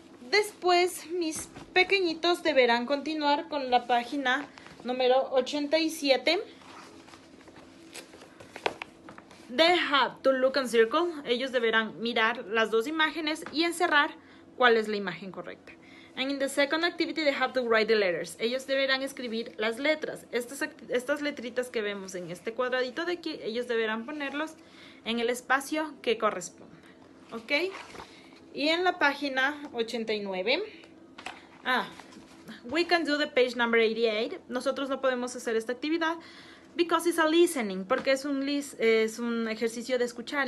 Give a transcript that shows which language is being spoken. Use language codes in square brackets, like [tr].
[es] Después, mis pequeñitos deberán continuar con la página número 87. [en] They have to look and circle. [es] Ellos deberán mirar las dos imágenes y encerrar cuál es la imagen correcta. [en] And in the second activity, they have to write the letters. [es] Ellos deberán escribir las letras. Estas letritas que vemos en este cuadradito de aquí, ellos deberán ponerlos en el espacio que corresponda. ¿Ok? Y en la página 89. [en] We can do the page number 88. [es] Nosotros no podemos hacer esta actividad [en] because it's a listening, [es] porque es un ejercicio de escuchar.